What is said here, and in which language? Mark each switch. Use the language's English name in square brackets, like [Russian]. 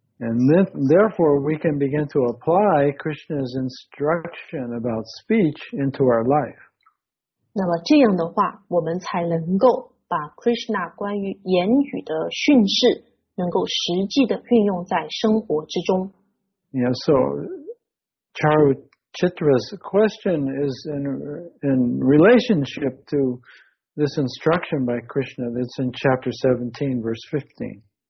[English] And then, therefore we can begin to apply Krishna's instruction about speech into our life. [Chinese] 那么这样的话我们才能够把 Krishna 关于言语的训示能够实际的运用在生活之中。 [English] Yeah, so Charuchitra's question is in relationship to this instruction by Krishna that's in chapter 17, verse 15.